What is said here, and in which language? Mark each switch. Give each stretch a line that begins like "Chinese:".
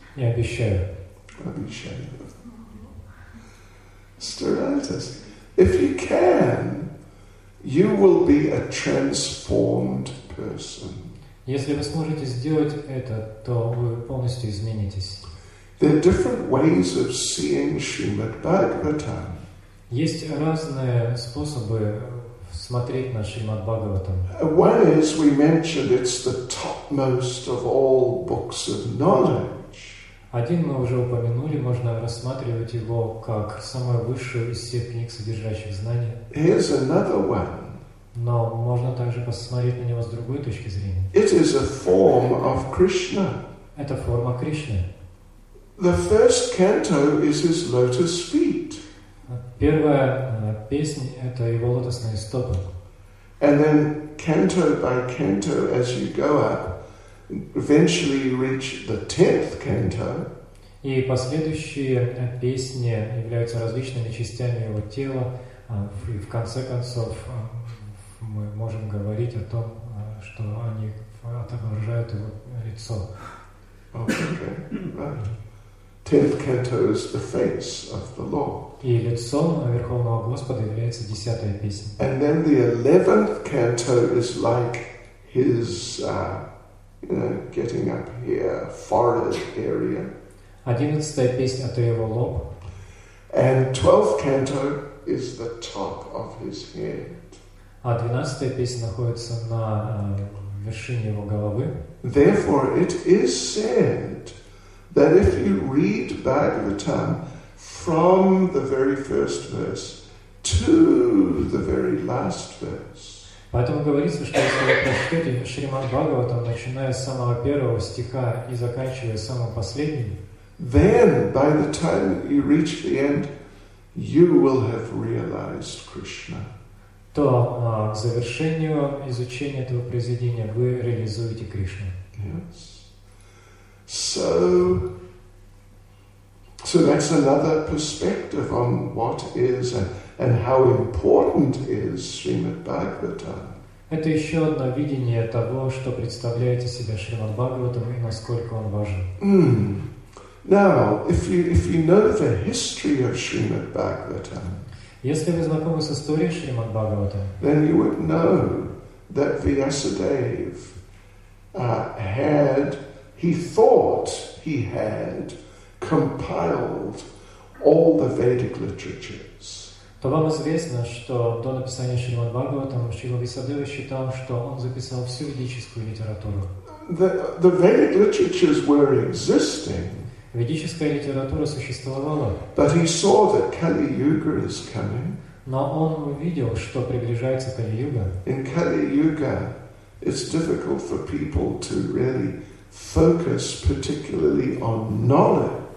Russian: Я обещаю. Старайтесь.
English: If you can, you will be a transformed person.
Russian: Если вы сможете сделать это, то вы полностью изменитесь.
English: There are different ways of seeing Srimad Bhagavatam.
Russian: Есть разные способы смотреть на Шримад Бхагаватам.
English: One is, we mentioned, it's the topmost of all books of knowledge.
Russian: Один мы уже упомянули, можно рассматривать его как самую высшую из всех книг, содержащих знания.
English: Here's another one.
Russian: Но можно также посмотреть на него с другой точки зрения.
English: It is a form of Krishna.
Russian: Это форма Кришны.
English: The first canto is his lotus feet.
Russian: Первая песня – это его лотосные стопы.
English: And then canto by canto, as you go up, eventually you reach the 10th canto.
Russian: И последующие песни являются различными частями его тела. И в конце концов мы можем говорить о том, что они отображают его лицо.
English: Okay. Right. 10th canto is the face of the Lord.
Russian: И лицо Верховного Господа является 10-я песня.
English: And then the 11th canto is like his getting up here, forehead area.
Russian: 11-я песня – это его лоб.
English: And 12th canto is the top of his head.
Russian: А 12-я песня находится на вершине его головы.
English: Therefore, it is said that if you read Bhagavatam from the very first verse to the very last verse,
Russian: поэтому говорится, что если вы прочтете Шримад Бхагаватам, начиная с самого первого стиха и заканчивая самым последним,
English: then, by the time you reach the end, you will have realized Krishna.
Russian: То к завершению изучения этого произведения вы реализуете Кришну.
English: Yes. So that's another perspective on what is and how important is Srimad Bhagavatam.
Russian: Это еще одно видение того, что представляете себя Шримад Бхагаватам и насколько он важен.
English: Now, if you know the history of Srimad Bhagavatam,
Russian: если вы знакомы с историей Шримад Бхагаватам,
English: then you would know that Vyasadev thought he had compiled all the Vedic literatures.
Russian: То вам известно, что до написания Шримад Бхагаватам Шрила Вьясадева считал, что он записал всю ведическую литературу.
English: The Vedic literatures were existing.
Russian: Ведическая литература существовала.
English: But he saw that Kali Yuga is coming.
Russian: Но он увидел, что приближается Кали Юга.
English: In Kali Yuga, it's difficult for people to really focus particularly on knowledge.